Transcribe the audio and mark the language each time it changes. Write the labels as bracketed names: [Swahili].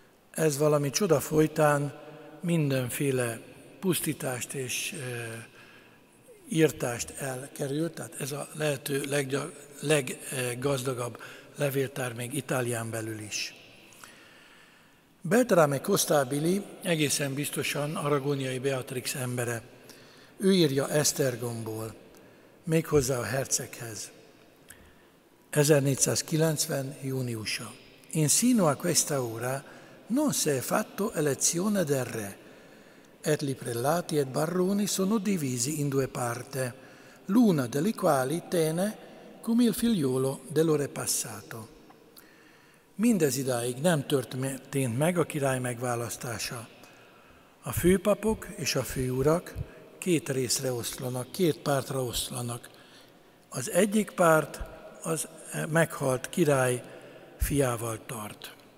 [Hungarian] Ez valami csoda folytán mindenféle pusztítást és írtást elkerült, tehát ez a lehető leggazdagabb levéltár még Itálián belül is. Beltrame Costabili egészen biztosan aragóniai Beatrix embere. Ő írja Esztergomból, méghozzá a herceghez. 1490. júniusa. [Italian] In sino a questa ora non si è fatto elezione del re. Et li prelati et barroni sono divisi in due parte, l'una delle quali tene cum il figliolo dell'ore passato. [Hungarian] Mindezidáig nem történt meg a király megválasztása. A főpapok és a főurak két részre oszlanak, két pártra oszlanak. Az egyik párt az meghalt király fiával tart.